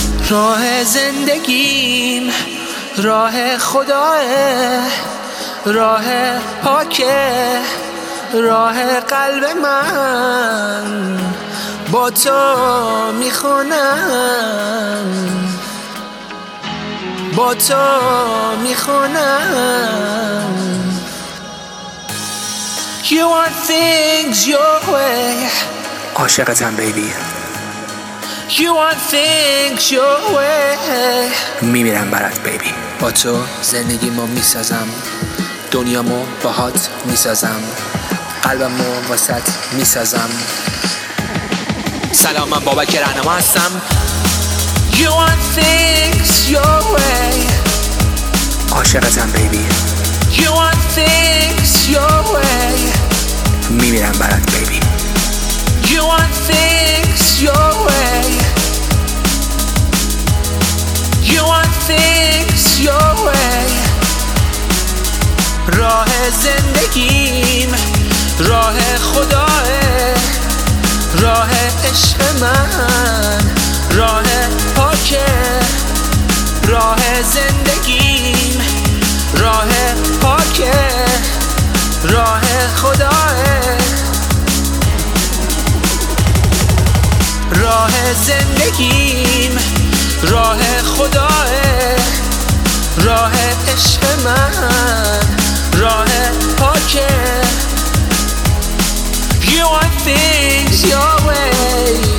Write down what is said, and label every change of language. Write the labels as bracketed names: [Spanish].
[Persian] راه زندگیم راه خداه، راه پاکه، راه قلب من با تو میخونم، با تو میخونم. [English] You want things your way. [Persian] عاشقتم بیبی. [English] You want things your way. [Persian] میمیرم برات بیبی. با تو زندگی ما میسازم، دنیا ما باهات میسازم، قلبم ما وسط میسازم. سلام، من بابک رهنما هستم. [English] You want things your way. [Persian] عاشقتم بیبی. [English] You want things your way. [Persian] میمیرم برات بیبی. [English] You want things your way. You want things your way. [Persian] راه زندگیم راه خداه، راه عشق من، راه پاکه، راه زندگیم راه پاکه، راه خداه، راه زندگیم راه خداه، راه عشق من، راه پاکه. [English] You want things your way.